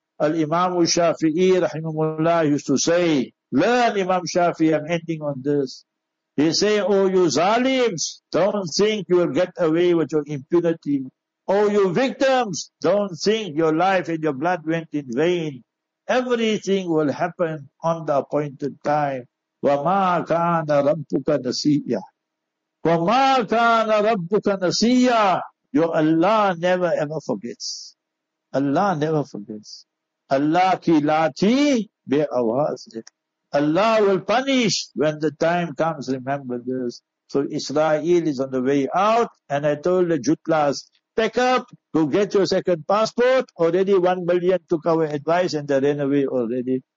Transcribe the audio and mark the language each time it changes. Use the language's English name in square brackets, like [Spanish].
[English] Al-Imam Shafi'i rahimahullah used to say, learn Imam Shafi'i, I'm ending on this. He say, oh you zalims, don't think you will get away with your impunity. Oh you victims, don't think your life and your blood went in vain. Everything will happen on the appointed time. [Arabic] وَمَا كَانَ رَبُّكَ نَسِيَّا وَمَا كَانَ رَبُّكَ نَسِيَّا. [English] Your Allah never ever forgets. Allah never forgets. [Urdu] Allah ki lati be awaz. [English] Allah will punish when the time comes, remember this. So Israel is on the way out, and I told the Jutlas, pack up to get your second passport. Already 1 million took our advice and they ran away already.